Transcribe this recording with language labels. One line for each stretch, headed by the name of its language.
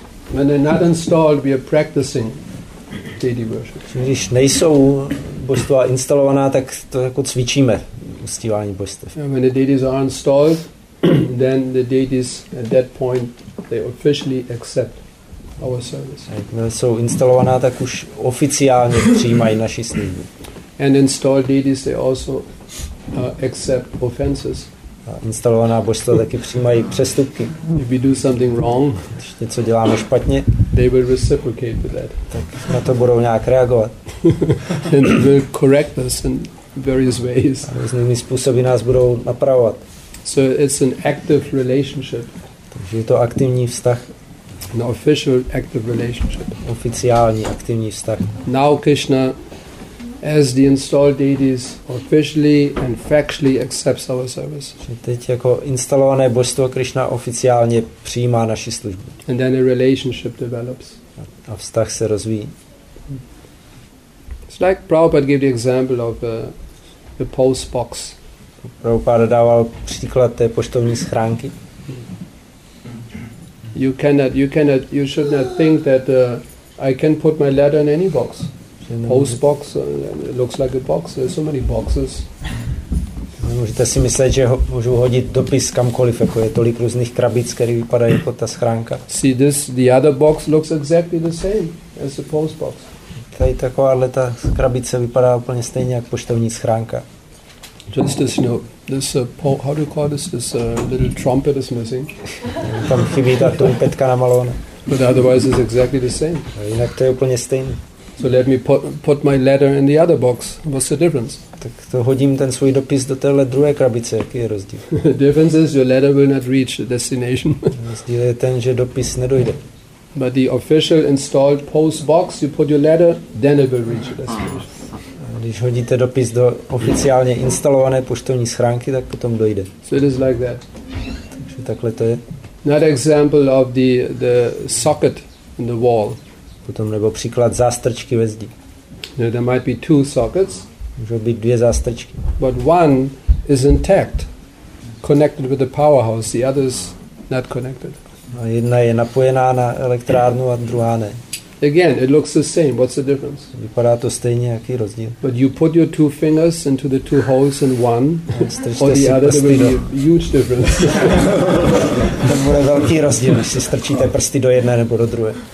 English: When they're not installed, we are practicing deity worship.
Czech: Když nejsou božstva instalovaná, tak to jako cvičíme uctívání božstev.
English: When the deities are installed, then the deities at that point they officially accept our service.
Czech: Jakmile jsou instalovaná, tak už oficiálně přijímají naši službu.
English: And installed deities they also accept offenses.
Czech: instalovaná božstva taky přijímají přestupky.
English: If we do something wrong,
Czech: když něco děláme špatně,
English: they will reciprocate with that.
Czech: Tak na to budou nějak reagovat.
English: And they will correct us in various ways.
Czech: A různými způsoby nás budou napravovat.
English: So it's an active relationship.
Czech: Takže je to aktivní vztah.
English: An official active relationship.
Czech: Oficiální aktivní vztah.
English: Now Krishna, as the installed deities, officially and factually accepts our service.
Czech: Teď jako instalované božstvo Krishna oficiálně přijímá naši službu.
English: And then a relationship develops.
Czech: A vztah se rozvíjí.
English: It's like Prabhupada gave the example of the post box.
Czech: Prabhupada dával příklad té poštovní schránky.
English: You should not think that I can put my letter in any box. Post box, it looks like a box. There's so many boxes.
Czech: Můžete si myslet, že můžu hodit dopis kamkoliv, jako je tolik různých krabic, které vypadají jako ta schránka.
English: See this, the other box looks exactly the same as the post box.
Czech: Tady takováhle ta krabice vypadá úplně stejně jak poštovní schránka.
English: Just as you know, this how do you call this? This little trumpet is missing.
Czech: Tam chybí ta trumpetka namalovaná.
English: But otherwise, it's exactly the same.
Czech: A jinak to je úplně stejný.
English: So let me put my letter in the other box. What's the difference?
Czech: Tak to hodím ten svůj dopis do téhle druhé krabice. Jaký je rozdíl?
English: The difference is your letter will not reach the destination.
Czech: Rozdíl je ten, že dopis nedojde.
English: But the official installed post box, you put your letter, then it will reach the destination.
Czech: Když hodíte dopis do oficiálně instalované poštovní schránky, tak potom dojde.
English: So it is like that.
Czech: Takže takhle to je.
English: Another example of the socket in the wall.
Czech: Potom nebo příklad zástrčky ve zdi.
English: Now there might be two sockets.
Czech: Můžou být dvě zástrčky.
English: But one is intact, connected with the powerhouse. The other is not connected.
Czech: A jedna je napojená na elektrárnu a druhá ne.
English: Again, it looks the same. What's the difference?
Czech: Vypadá to stejně, jaký rozdíl?
English: But you put your two fingers into the two holes in one, or the other, there will be a huge difference.
Czech: To bude velký rozdíl, když si strčíte prsty do jedné nebo do druhé.